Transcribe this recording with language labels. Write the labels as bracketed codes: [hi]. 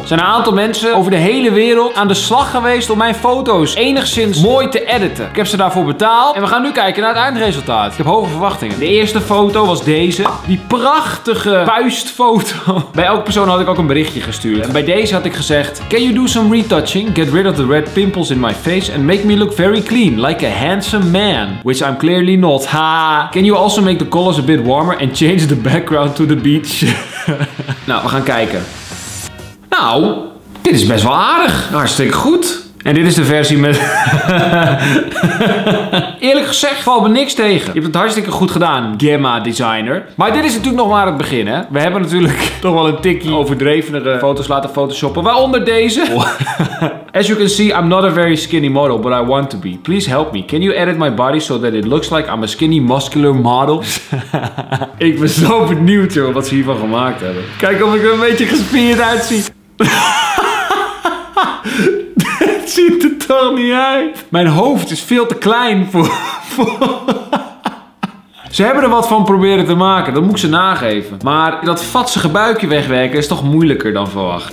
[nl] Er zijn een aantal mensen over de hele wereld aan de slag geweest om mijn foto's enigszins mooi te editen. Ik heb ze daarvoor betaald en we gaan nu kijken naar het eindresultaat. Ik heb hoge verwachtingen. De eerste foto was deze. Die prachtige puistfoto. Bij elke persoon had ik ook een berichtje gestuurd. En bij deze had ik gezegd, [en] can you do some retouching? Get rid of the red pimples in my face and make me look very clean, like a handsome man. Which I'm clearly not, ha. Can you also make the colors a bit warmer and change the background to the beach? [nl] Nou, we gaan kijken. Nou, dit is best wel aardig. Hartstikke goed. En dit is de versie met... Eerlijk gezegd valt me niks tegen. Je hebt het hartstikke goed gedaan, Gemma Designer. Maar dit is natuurlijk nog maar het begin, hè. We hebben natuurlijk toch wel een tikje overdrevenere foto's laten photoshoppen. Waaronder deze. [en] As you can see, I'm not a very skinny model, but I want to be. Please help me. Can you edit my body so that it looks like I'm a skinny muscular model? [nl] Ik ben zo benieuwd, joh, wat ze hiervan gemaakt hebben. Kijk of ik er een beetje gespierd uitzie. Dat ziet er toch niet uit. Mijn hoofd is veel te klein voor... Ze hebben er wat van proberen te maken, dat moet ik ze nageven. Maar dat vatsige buikje wegwerken is toch moeilijker dan verwacht.